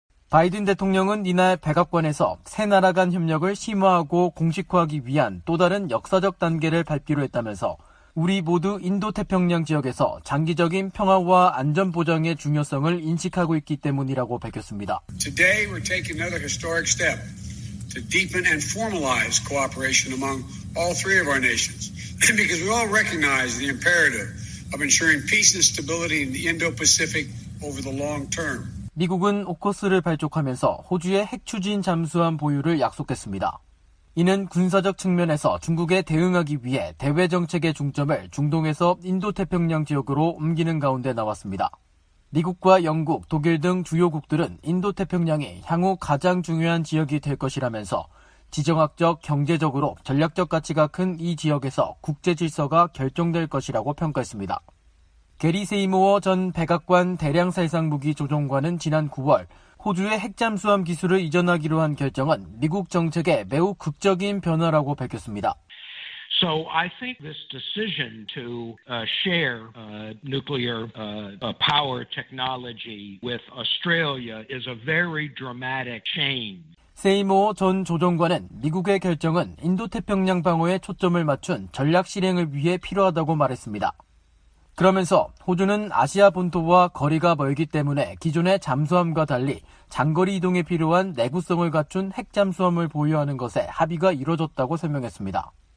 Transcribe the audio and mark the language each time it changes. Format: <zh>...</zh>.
<ko>바이든 대통령은 이날 백악관에서 세 나라 간 협력을 심화하고 공식화하기 위한 또 다른 역사적 단계를 밟기로 했다면서 우리 모두 인도태평양 지역에서 장기적인 평화와 안전 보장의 중요성을 인식하고 있기 때문이라고 밝혔습니다.</ko> <en>Today we're taking another historic step to deepen and formalize cooperation among all three of our nations. Because we all recognize the imperative of ensuring peace and stability in the Indo-Pacific over the long term.</en> <ko>미국은 오커스를 발족하면서 호주의 핵 추진 잠수함 보유를 약속했습니다. 이는 군사적 측면에서 중국에 대응하기 위해 대외 정책의 중점을 중동에서 인도태평양 지역으로 옮기는 가운데 나왔습니다. 미국과 영국, 독일 등 주요국들은 인도태평양이 향후 가장 중요한 지역이 될 것이라면서 지정학적, 경제적으로 전략적 가치가 큰 이 지역에서 국제 질서가 결정될 것이라고 평가했습니다. 게리 세이모어 전 백악관 대량살상무기 조종관은 지난 9월 호주의 핵잠수함 기술을 이전하기로 한 결정은 미국 정책에 매우 극적인 변화라고 밝혔습니다.</ko> <en>So I think this decision to share nuclear power technology with Australia is a very dramatic change.</en> <ko>세이모 전 조정관은 미국의 결정은 인도태평양 방어에 초점을 맞춘 전략 실행을 위해 필요하다고 말했습니다. 그러면서 호주는 아시아 본토와 거리가 멀기 때문에 기존의 잠수함과 달리 장거리 이동에 필요한 내구성을 갖춘 핵잠수함을 보유하는 것에 합의가 이뤄졌다고 설명했습니다.</ko>